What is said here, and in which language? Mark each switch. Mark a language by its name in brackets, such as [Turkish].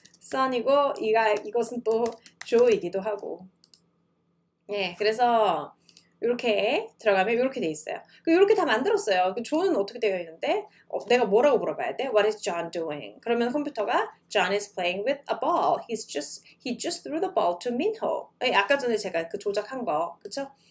[Korean] son이고, 이것은 또 조이기도 하고. 예, 그래서, 이렇게 들어가면 이렇게 돼 있어요. 이렇게 다 만들었어요. 조는 어떻게 되어 있는데, 내가 뭐라고 물어봐야 돼? [English] What is John doing? [Korean] 그러면 컴퓨터가 [English] John is playing with a ball. He just threw the ball to Minho. [Korean] 예, 아까 전에 제가 그 조작한 거, 그쵸?